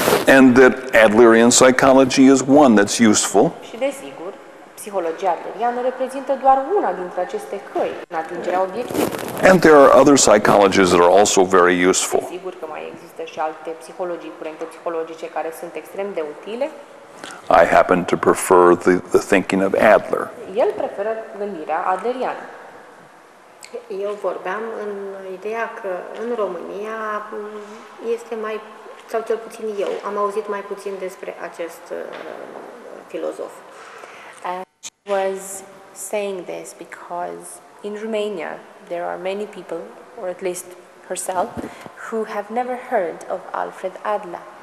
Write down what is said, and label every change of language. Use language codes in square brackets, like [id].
[en] And that Adlerian psychology is one that's useful. [ro] Și desigur, psihologia adleriană reprezintă doar una dintre aceste căi în atingerea obiectivului. [en] And there are other psychologies that are also very useful. [ro] Desigur că mai există și alte psihologii, curente psihologice, care sunt extrem de utile. [en] I happen to prefer the thinking of Adler. [ro] El preferă gândirea adleriană. Eu vorbeam în ideea că în România este mai, sau cel puțin eu, am auzit mai puțin despre acest filozof. [en] She was saying this because in Romania there are many people, or at least herself, who have never heard of Alfred Adler.